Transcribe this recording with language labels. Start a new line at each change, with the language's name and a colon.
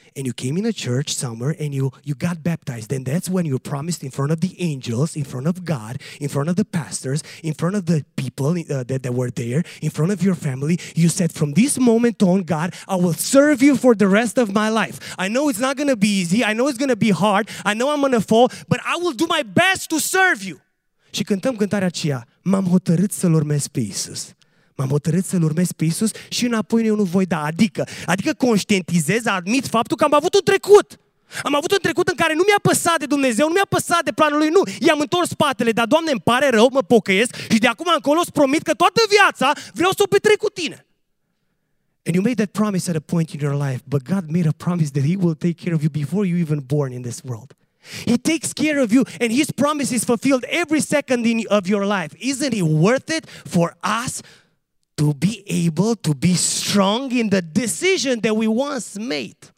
English: And you came in a church somewhere and you got baptized. And that's when you promised in front of the angels, in front of God, in front of the pastors, in front of the people that were there, in front of your family. You said, from this moment on, God, I will serve you for the rest of my life. I know it's not going to be easy. I know it's going to be hard. I know I'm going to fall, but I will do my best to serve you.
Romanian: Și cântăm cântarea aceea, m-am hotărât să-L urmez pe Iisus. M-am hotărât să-L urmez pe Iisus și înapoi eu nu voi da. Adică conștientizez, admit faptul că am avut un trecut. Am avut un trecut în care nu mi-a păsat de Dumnezeu, nu mi-a păsat de planul Lui, nu. I-am întors spatele, dar Doamne, îmi pare rău, mă pocăiesc și de acum încolo îți promit că toată viața vreau să o petrec cu Tine.
English: And you made that promise at a point in your life, but God made a promise that He will take care of you before you even born in this world. He takes care of you and His promise is fulfilled every second of your life. Isn't it worth it for us to be able to be strong in the decision that we once made?